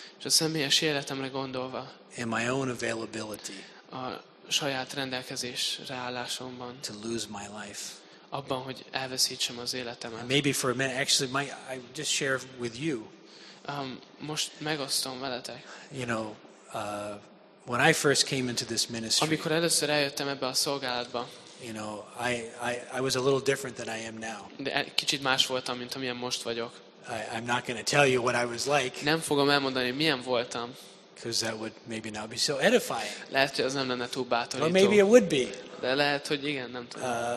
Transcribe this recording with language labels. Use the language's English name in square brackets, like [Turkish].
[Hungarian] És a személyes életemre gondolva. [English] And my own availability. [Hungarian] A saját rendelkezésre állásomban. [English] To lose my life. [Hungarian] Abban, hogy elveszítsem az életemet. [English] And maybe for a minute, actually, I just share with you. [Hungarian] Most megosztom veletek. [English] You know, when I first came into this ministry. [Hungarian] Amikor először eljöttem ebbe a szolgálatba. [English] You know, I was a little different than I am now. [Hungarian] De kicsit más voltam, mint amilyen most vagyok. [English] I'm not going to tell you what I was like. [Hungarian] Nem fogom elmondani, milyen voltam. [English] Because that would maybe not be so edifying. [Hungarian] Lehet, hogy az nem lenne túl bátorító. [English] Or maybe it would be. [Hungarian] De lehet, hogy igen, nem tudom.